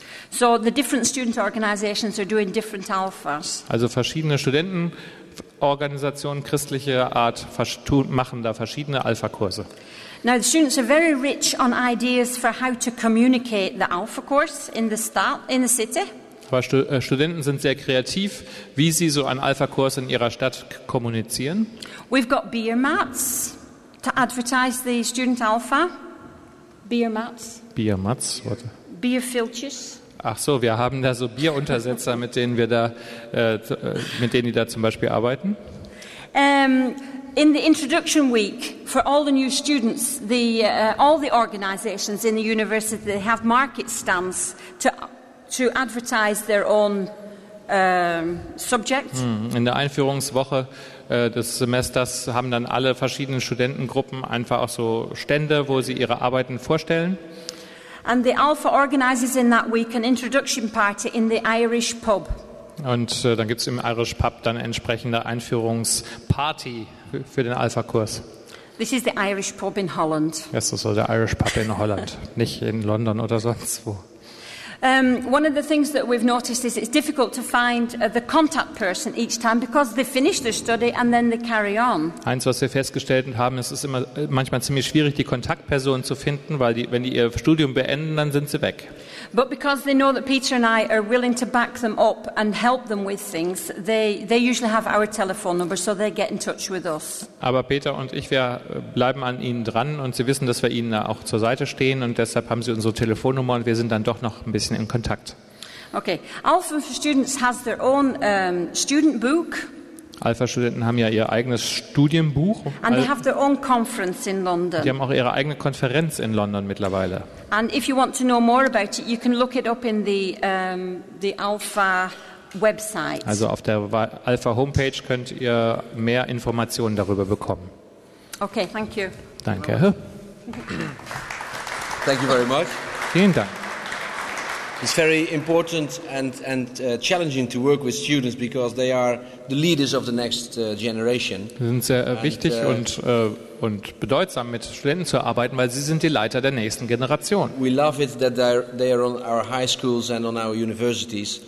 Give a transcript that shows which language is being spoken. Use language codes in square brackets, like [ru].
[en] So the different student organizations are doing different alphas. [de] Also verschiedene Studentenorganisationen christlicher Art machen da verschiedene Alpha-Kurse. [en] Now the students are very rich on ideas for how to communicate the Alpha course in the city. [de] Aber Studenten sind sehr kreativ, wie sie so einen Alpha-Kurs in ihrer Stadt kommunizieren. [en] We've got beer mats to advertise the student Alpha. Beer mats. Beer mats. What? Beer filters. [de] Ach so, wir haben da so Bieruntersetzer, mit denen wir da, mit denen die da zum Beispiel arbeiten. [en] In the introduction week for all the new students, all the organizations in the university have market stands to advertise their own subject. [de] In der Einführungswoche des Semesters haben dann alle verschiedenen Studentengruppen einfach auch so Stände, wo sie ihre Arbeiten vorstellen. [en] And the Alpha organizes in that week an introduction party in the Irish pub. [de] Und dann gibt's im Irish Pub dann entsprechende Einführungsparty für den Alpha Kurs. [en] This is the Irish pub in Holland. Yes, so the Irish pub in Holland, [de] nicht in London oder sonst wo. [en] One of the things that we've noticed is it's difficult to find the contact person each time because they finish their study and then they carry on. [de] Eins, was wir festgestellt haben, es ist immer manchmal ziemlich schwierig, die Kontaktperson zu finden, weil wenn die ihr Studium beenden, dann sind sie weg. [en] But because they know that Peter and I are willing to back them up and help them with things, they usually have our telephone number, so they get in touch with us. [de] Aber Peter und ich, wir bleiben an ihnen dran, und sie wissen, dass wir ihnen auch zur Seite stehen, und deshalb haben sie unsere Telefonnummer, und wir sind dann doch noch ein bisschen in Kontakt. [en] Okay, Alpha for Students has their own student book. [de] Alpha-Studenten haben ja ihr eigenes Studienbuch. [en] And they have their own conference in London. [de] Die haben auch ihre eigene Konferenz in London mittlerweile. [en] And if you want to know more about it, you can look it up in the Alpha website. [de] Also auf der Alpha-Homepage könnt ihr mehr Informationen darüber bekommen. [en] Okay, thank you. [de] Danke. [en] Thank you very much. [de] Vielen Dank. [en] It's very important and challenging to work with students because they are the leaders of the next generation. [de] Sie sind sehr wichtig und bedeutsam, mit Studenten zu arbeiten, weil sie sind die Leiter der nächsten Generation. [en] We love it that they are on our high schools and on our universities.